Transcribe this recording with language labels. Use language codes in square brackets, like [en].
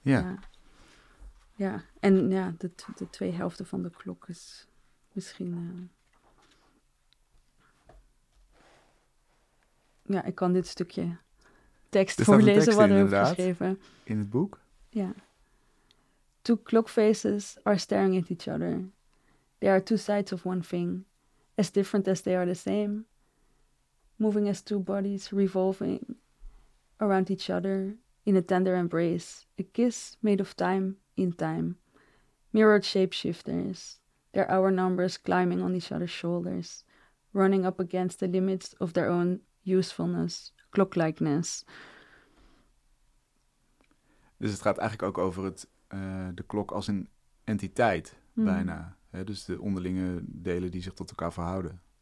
[nl] Ja. Ja, en ja, de twee helften van de klok is misschien... Ja, ik kan dit stukje tekst voorlezen wat er wordt geschreven. In het boek? Ja. [en] Two clock faces are staring at each other. They are two sides of one thing, as different as they are the same. Moving as two bodies revolving around each other in a tender embrace. A kiss made of time in time. Mirrored shapeshifters, their hour numbers climbing on each other's shoulders. Running up against the limits of their own usefulness, clock-likeness. [nl] Dus het gaat eigenlijk ook over de klok als een entiteit, bijna. He, dus de onderlinge delen die zich tot elkaar verhouden.